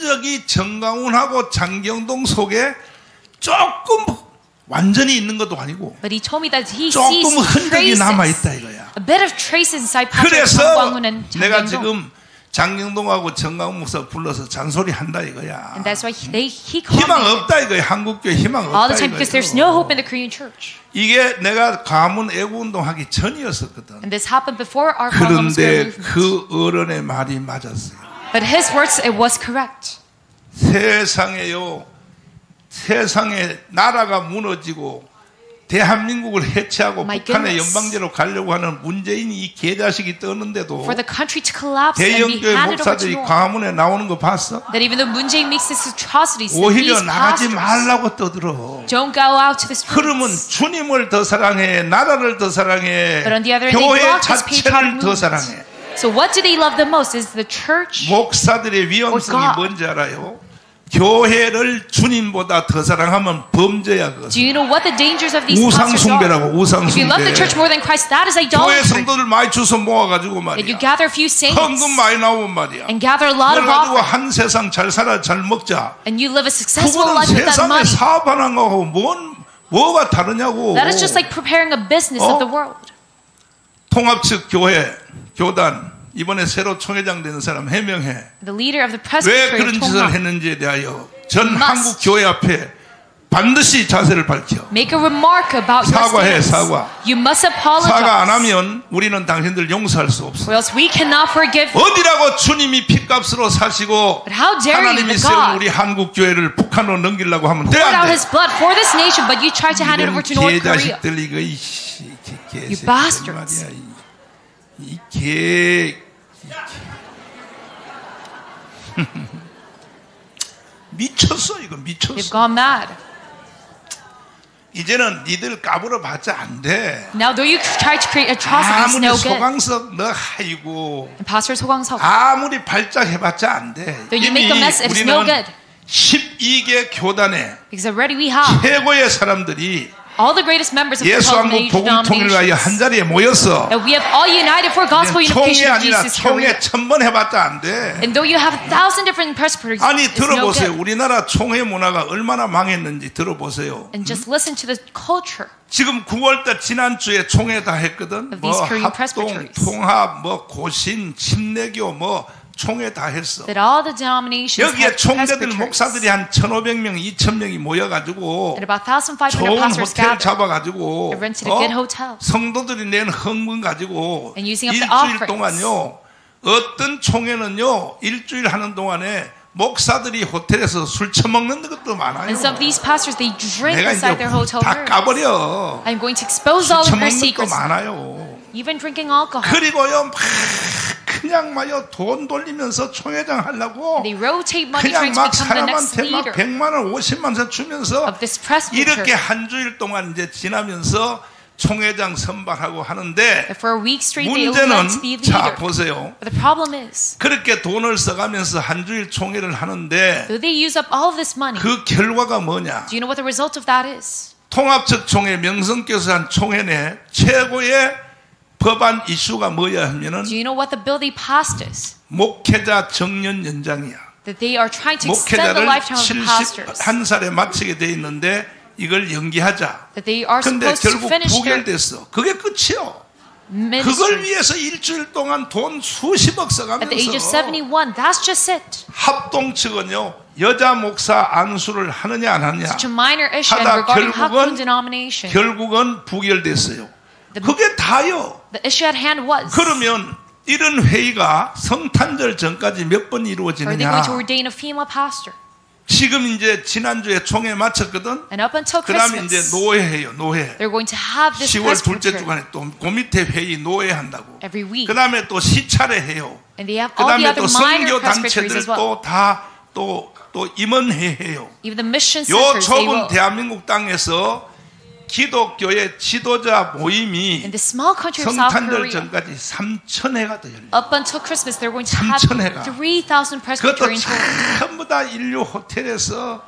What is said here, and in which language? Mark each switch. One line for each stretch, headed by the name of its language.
Korean: 흔적이 정강훈하고 장경동 속에 조금 완전히 있는 것도 아니고
English: but he told me that he
Korean: 조금
English: sees
Korean: 흔적이
English: traces,
Korean: 남아있다 이거야.
English: A bit of trace inside
Korean: 그래서
English: Patrick,
Korean: 내가 지금 장경동하고 정강훈 목사 불러서 잔소리 한다 이거야.
English: And that's why he
Korean: 희망 없다 이거야. 한국교회 희망 없다
English: all the time because there's no hope in the Korean church.
Korean: 이게 내가 가문 애국운동하기 전이었었거든.
English: And this happened before our
Korean: 그런데
English: movement.
Korean: 그 어른의 말이 맞았어요.
English: But his words, it was correct.
Korean: 세상에요. 세상에 나라가 무너지고 대한민국을 해체하고 북한의 연방제로 가려고 하는 문재인이 이 개자식이 떠는데도 대형교회 목사들이 광화문에 나오는 거 봤어?
English: That even though Moon-jae-in makes this atrocities,
Korean: 오히려 나가지 말라고 떠들어.
English: Don't go out to the streets.
Korean: 그러면 주님을 더 사랑해, 나라를 더 사랑해,
English: But on the other
Korean: 교회 자체를 더 사랑해.
English: So what do they love the most? Is the church?
Korean: 목사들의 위험성이 뭔지 알아요? 교회를 주님보다 더 사랑하면 범죄야 그것은.
English: Do you know what the dangers of these pastors are?
Korean: 우상숭배라고 우상숭배.
English: If you love the church more than Christ, that is idolatry.
Korean: 교회 성도들 많이 주워 모아가지고 말이야.
English: If you gather a few saints.
Korean: 헌금 많이 나오면 말이야.
English: And gather a lot of offerings.
Korean: 그래가지고 한 세상 잘 살아 잘 먹자.
English: And you live a successful life with that money.
Korean: 그거는 세상에 사업하는 거하고 뭐가 다르냐고.
English: That is just like preparing a business
Korean: 어?
English: of the world.
Korean: 통합측 교회, 교단. 이번에 새로 총회장 되는 사람 해명해.
English: The leader of the press.
Korean: 왜 그런 짓을 했는지에 대하여 전 한국 교회 앞에 반드시 자세를 밝혀.
English: Make a remark about your stance.
Korean: 사과해 사과.
English: You must apologize.
Korean: 사과 안 하면 우리는 당신들 용서할 수 없어.
English: Or else we cannot forgive.
Korean: 어디라고 주님이 핏값으로 사시고 하나님이 세운 우리 한국 교회를 북한으로 넘기려고 하면 돼 안 돼?
English: Poured out his blood for this nation, but you tried to hand it over to North Korea.
Korean: 개자식들 이거 이씨 개새끼 말이야. 이게 미쳤어 이거 미쳤어.
English: You've gone mad.
Korean: 이제는 니들 까불어 봤자 안 돼.
English: Now though you try to create atrocities, no good.
Korean: 아무리 소광석 너 아이고.
English: Pastor 소광석.
Korean: 아무리 발작 해봤자 안 돼.
English: Though you make a mess, it's no good.
Korean: 12개 교단에.
English: Because already we have.
Korean: 최고의 사람들이.
English: All the greatest members of the Christian denominations.
Korean: 복음통일을 위하여 한 자리에 모였어.
English: And we have all united for gospel unification.
Korean: 총회 아니라 총회 천번 해봤다 안 돼.
English: And though you have a thousand different press briefings,
Korean: 아니 들어보세요.
English: No good.
Korean: 우리나라 총회 문화가 얼마나 망했는지 들어보세요.
English: And just listen to the culture.
Korean: 지금 9월달 지난 주에 총회 다 했거든. 뭐 합동, 통합, 뭐 고신, 침례교, 뭐 총회 다 했어.
English: That all the denominations
Korean: 여기에 총대들 목사들이 한 1,500명, 2,000명이 모여가지고 좋은 호텔 잡아가지고 성도들이 낸 헌금 가지고 일주일 동안요 어떤 총회는요 일주일 하는 동안에 목사들이 호텔에서 술 처먹는 것도 많아요.
English: And some of these pastors they drink inside their hotel rooms.
Korean: 다 까버려.
English: I'm going to expose all of their secrets. Even drinking alcohol.
Korean: 그리고요 그냥 막요 돈 돌리면서 총회장 하려고
English: they rotate money
Korean: 그냥 막
English: to become
Korean: 사람한테
English: the next
Korean: 막 100만 원, 50만 원 주면서
English: of this press
Korean: 이렇게 한 주일 동안 이제 지나면서 총회장 선발하고 하는데
English: for a week straight,
Korean: 문제는
English: they will not be the leader.
Korean: 자 보세요
English: But the problem is,
Korean: 그렇게 돈을 써가면서 한 주일 총회를 하는데
English: do they use up all of this money?
Korean: 그 결과가 뭐냐
English: do you know what the result of that is?
Korean: 통합측 총회 명성께서 한 총회 내 최고의 법안 이슈가 뭐야 하면은
English: Do you know what the bill they passed is?
Korean: 목회자 정년 연장이야.
English: That they are trying to extend the lifetime of pastors.
Korean: 한 살에 마치게 돼 있는데 이걸 연기하자.
English: That they are supposed to finish.
Korean: 근데 결국 부결됐어. 그게 끝이요. 그걸 위해서 일주일 동안 돈 수십억 써가면서
English: At the age of 71, that's just it.
Korean: 합동 측은요. 여자 목사 안수를 하느냐 안 하느냐.
English: Such a minor issue regarding Hakdong denomination.
Korean: 결국은 부결됐어요. 그게 다요.
English: The issue at hand was.
Korean: 그러면 이런 회의가 성탄절 전까지 몇 번 이루어지느냐?
English: Are they going to ordain a female pastor?
Korean: 지금 이제 지난주에 총회 마쳤거든.
English: And up until Christmas.
Korean: 그다음 이제 노회해요, 노회.
English: They're going to have this.
Korean: 10월 둘째 주간에 또 고밑에 회의 노회한다고.
English: Every week.
Korean: 그다음에 또 시찰회 해요.
English: And they have all the other minor presbyteries as well.
Korean: 또 임원회 해요.
English: Even the mission centers.
Korean: 요 좁은 대한민국 땅에서. 기독교의 지도자 모임이 성탄절 전까지 3천 회가 더 열려.
English: Up until Christmas, they're going to have 3,000 Presbyterian churches.
Korean: 그것도 전부 다 인류 호텔에서